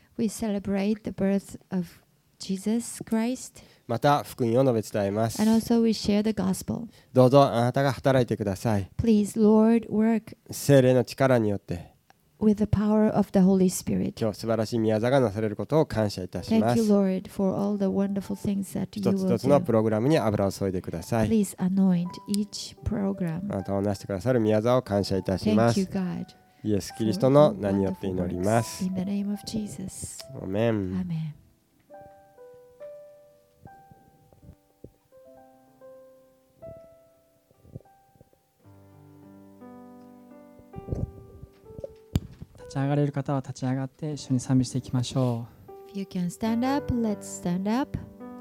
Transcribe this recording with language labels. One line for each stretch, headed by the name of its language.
English: We celebrate the birth of Jesus Christ.
Japanese: また福音を述べ伝えます。
English: And also we share the gospel.
Japanese: どうぞあなたが働いてください。
English: Please Lord work.
Japanese: 聖霊の力によって、
English: With the power of the Holy Spirit.
Japanese: 今日素晴らしい御業がなされることを感謝いたします。
English: Thank you, Lord, for all the wonderful things that you will do.
Japanese: 一つ一つのプログラムに油を注いでください。
English: Please anoint each program.
Japanese: あなたをなしてくださる御業を感謝いたします。
English: Thank you, God.
Japanese: イエス・キリストの名によって祈ります。
English: In the name of Jesus. Amen. Amen.
Japanese: 立ち上がれる方は立ち上がって一緒に賛美していきましょう。
English: If you can stand up, let's stand up.